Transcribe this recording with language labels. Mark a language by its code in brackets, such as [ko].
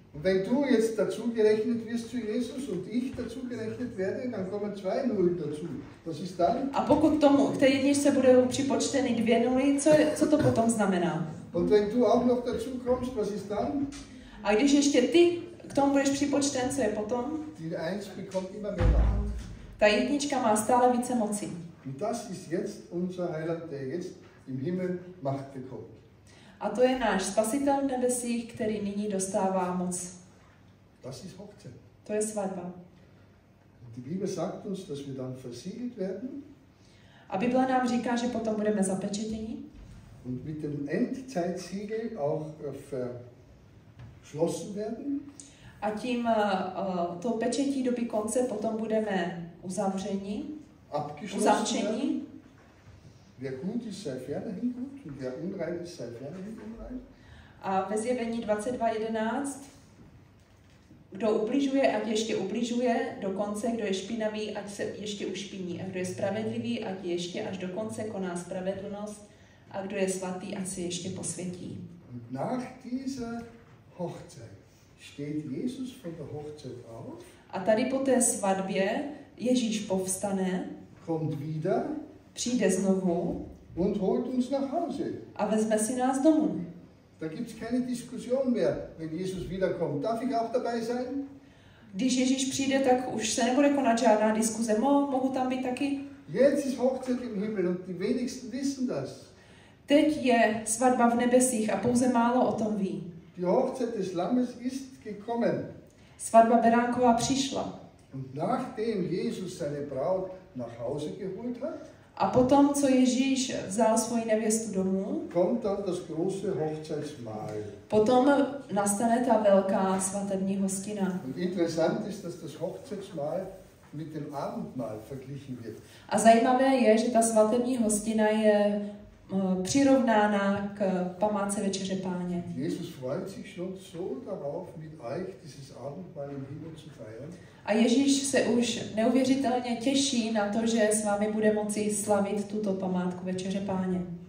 [de] Wenn du jetzt dazu gerechnet wirst zu Jesus und ich dazu gerechnet werde, dann kommen 2 0 dazu. Was ist dann? [cs] A pokud tomu k té jedničce budou připočteny 2 nuly, co to potom znamená? [de] Und wenn du auch noch dazu kommst, was ist dann? [cs] A když ještě ty k tomu budeš připočten, co je potom? [de] Die 1 bekommt immer mehr Macht. [cs] Ta jednička má stále více moci. [de] Und das ist jetzt unser Heiland, der jetzt im Himmel Macht bekommt. [cs] A to je náš Spasitel nebesích, který nyní dostává moc. [de] Das ist Hochzeit. [cs] To je svatba. [de] Und die Bibel sagt uns, dass wir dann versiegelt werden. [cs] A Bible nám říká, že potom budeme zapečetěni. [de] Und mit dem Endzeitsiegel auch verschlossen werden. [cs] A tím to pečetí doby konce potom budeme uzavření, uzavření. [de] Wer gut ist, sei fernerhin gut, und wer unrein ist, sei fernerhin unrein. [cs] A ve zjevení 22.11. Kdo ubližuje, ať ještě ubližuje, dokonce, kdo je špinavý, ať se ještě ušpiní. A kdo je spravedlivý, ať ještě až dokonce koná spravedlnost. A kdo je svatý, ať se ještě posvětí. [de] Und nach dieser Hochzeit steht Jesus von der Hochzeit auf. [cs] A tady po té svatbě Ježíš povstane, [de] kommt wieder, [cs] přijde znovu [de] und holt uns nach Hause. [cs] A vezme si nás domů. [de] Da gibt's keine Diskussion mehr, wenn Jesus wiederkommt. Darf ich auch dabei sein? [cs] Když Ježíš přijde, tak už se nebude konat žádná diskuze. Mohu tam být taky? [de] Jetzt ist Hochzeit im Himmel und die wenigsten wissen das. [cs] Teď je svatba v nebesích a pouze málo o tom ví. [de] Die Hochzeit des Lammes ist gekommen. [cs] Svatba Beránkova přišla. [de] Und nachdem Jesus seine Braut nach Hause geholt hat, [cs] a potom, co Ježíš vzal svoji nevěstu domů, [de] kommt dann das große Hochzeitsmahl. [cs] Potom nastane ta velká svatební hostina. [de] Und interessant ist, dass das Hochzeitsmahl mit dem Abendmahl verglichen wird. [cs] A zajímavé je, že ta svatební hostina je přirovnána k památce večeře Páně. [de] Jesus freut sich schon so darauf, mit euch dieses Abendmahl im Himmel zu feiern. [cs] A Ježíš se už neuvěřitelně těší na to, že s vámi bude moci slavit tuto památku večeře Páně.